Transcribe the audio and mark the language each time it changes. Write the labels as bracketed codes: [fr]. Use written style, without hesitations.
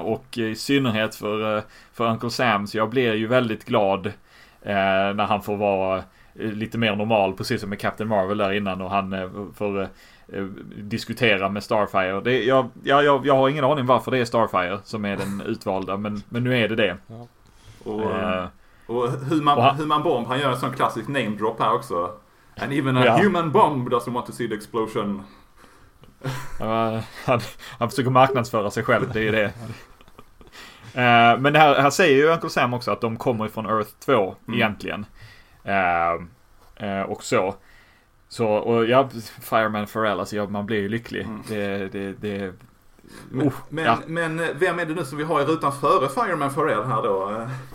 [sv] Och i synnerhet för Uncle Sam, så jag blir ju väldigt glad när han får vara lite mer normal, precis som med Captain Marvel där innan, och han får diskutera med Starfire. Det, jag har ingen aning varför det är Starfire som är den utvalda, men nu är det det. Ja. Human Bomb, han gör en sån klassisk name drop här också. [en] And even a human bomb doesn't want to see the explosion. [sv] han försöker marknadsföra sig själv, det är ju det. Men här säger ju Uncle Sam också att de kommer från Earth 2 egentligen. Och så och ja, Fireman Pharrell, alltså man blir ju lycklig. Men vem är det nu som vi har i rutan före Fireman Pharrell här då?